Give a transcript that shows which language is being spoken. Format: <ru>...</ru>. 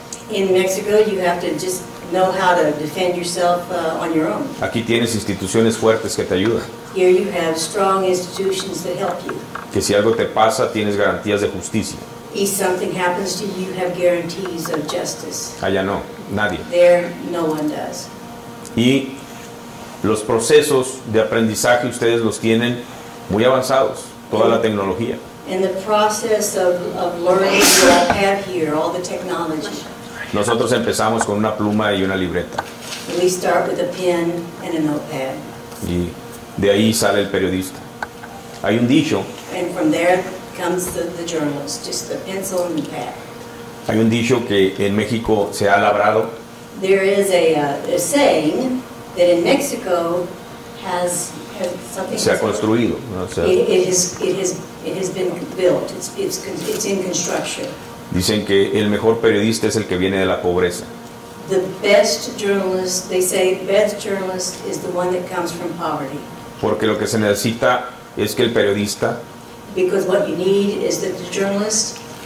<en>In Mexico, you have to just know how to defend yourself on your own.</en> <es>Aquí tienes instituciones fuertes que te ayudan.</es> <en>Here you have strong institutions that help you.</en> <es>Que si algo te pasa, tienes garantías de justicia.</es> <en>If something happens to you, you have guarantees of justice.</en> <es>Allá no, nadie.</es> <en>There, no one does.</en> <es>Y los procesos de aprendizaje ustedes los tienen muy avanzados, toda la tecnología.</es> <en>And the process of learning you all have here, all the technology.</en> <es>Nosotros empezamos con una pluma y una libreta.</es> <en>We start with a pen and a notepad.</en> <es>Y de ahí sale el periodista. Hay un dicho.</es> <en>And from there comes the journalist, just the pencil and the pad.</en> <es>Hay un dicho que en México se ha labrado.</es> <en>There is a saying that in Mexico has something.</en> <es>Se ha construido. ¿No? O sea,</es> <en>it has been built. It's in construction.</en> <es>Dicen que el mejor periodista es el que viene de la pobreza.</es> <en>The best journalist, they say, best journalist is the one that comes from poverty.</en> <es>Porque lo que se necesita es que el periodista.</es> <en>Because what you need is that the journalist.</en>